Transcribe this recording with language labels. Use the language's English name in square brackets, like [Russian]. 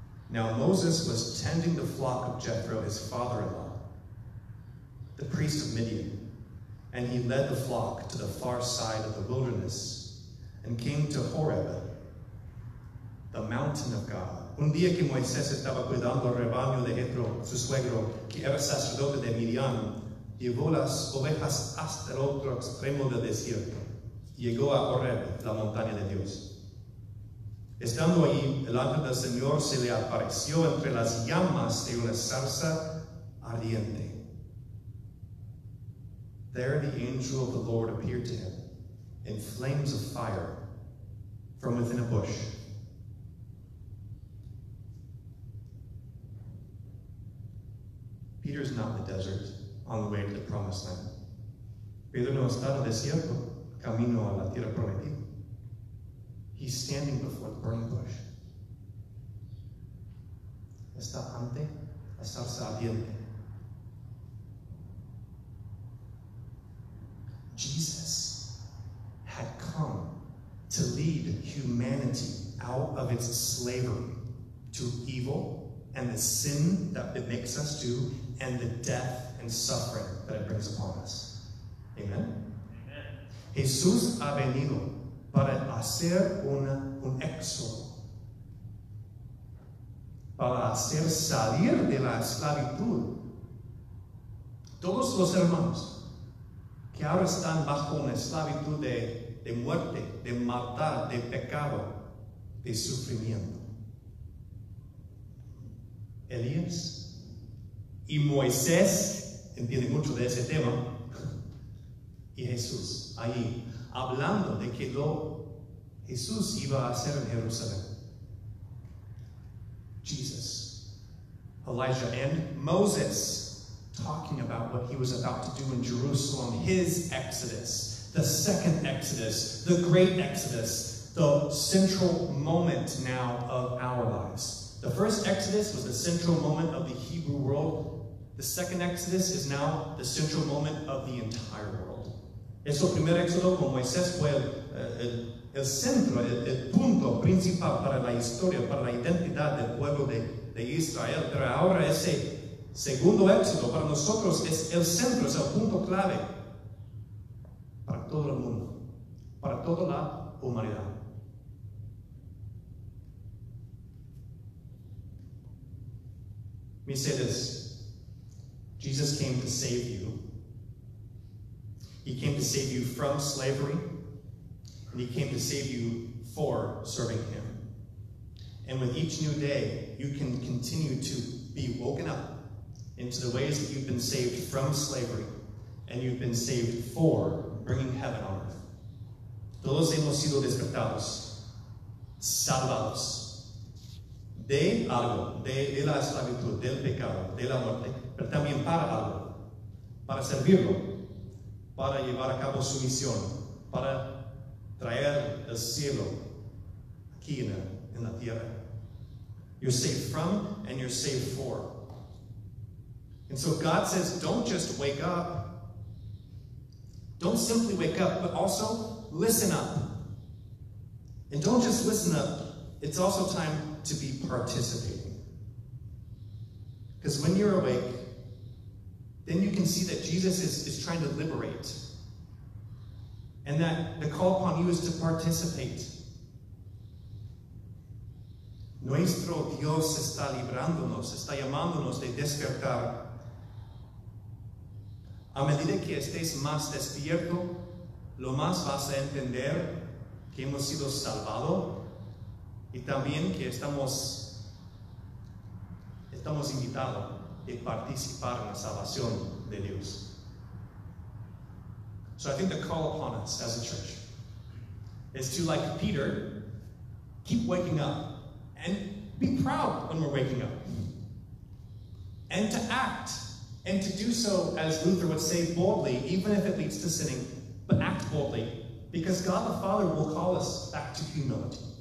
[English] Now Moses was tending the flock of Jethro, his father-in-law, the priest of Midian, and he led the flock to the far side of the wilderness and came to Horeb, the mountain of God. [Spanish] Un día que Moisés estaba cuidando el rebaño de Jethro, su suegro, que era sacerdote de Midian, llevó las ovejas hasta el otro extremo del desierto. Llegó a Horeb, la montaña de Dios. Estando allí, el ángel del Señor se le apareció entre las llamas de una zarza ardiente. [English] There the angel of the Lord appeared to him in flames of fire from within a bush. Peter's not in the desert on the way to the promised land. [Spanish] Pedro no está en el desierto, camino a la tierra prometida. [English] He's standing before the burning bush. [Spanish] Está ante la zarza ardiente. [English] Jesus had come to lead humanity out of its slavery to evil and the sin that it makes us do and the death and suffering that it brings upon us. Amen? Amen. [Spanish] Jesús ha venido para hacer un éxodo, para hacer salir de la esclavitud todos los hermanos que ahora están bajo una esclavitud de muerte, de matar, de pecado, de sufrimiento. Elías y Moisés entienden mucho de ese tema, y Jesús ahí hablando de que lo Jesús iba a ser en Jerusalem. [English] Jesus, Elijah, and Moses talking about what he was about to do in Jerusalem, his exodus, the second exodus, the great exodus, the central moment now of our lives. The first exodus was the central moment of the Hebrew world. The second exodus is now the central moment of the entire world. [Spanish] Es el primer éxodo con Moisés fue el centro, el punto principal para la historia, para la identidad del pueblo de Israel. Pero ahora ese segundo éxodo para nosotros es el centro, es el punto clave para todo el mundo, para toda la humanidad. [English] Me say this: Jesus came to save you. He came to save you from slavery. And he came to save you for serving him. And with each new day, you can continue to be woken up into the ways that you've been saved from slavery and you've been saved for bringing heaven on earth. [Spanish] todos hemos sido despertados, salvados de algo, de la esclavitud, del pecado, de la muerte, pero también para algo, para servirlo, para llevar a cabo su misión, para traer el cielo aquí en la tierra. [English] You're saved from and you're saved for. And so God says, don't just wake up. Don't simply wake up, but also listen up. And don't just listen up. It's also time to be participating. Because when you're awake, then you can see that Jesus is trying to liberate. And that the call upon you is to participate. [Spanish] Nuestro Dios está librándonos, está llamándonos de despertar. A medida que estés más despierto, lo más vas a entender que hemos sido salvados y también que estamos invitados a participar en la salvación de Dios. [English] So I think the call upon us as a church is to, like Peter, keep waking up and be proud when we're waking up. And to act, and to do so, as Luther would say, boldly, even if it leads to sinning, but act boldly, because God the Father will call us back to humility.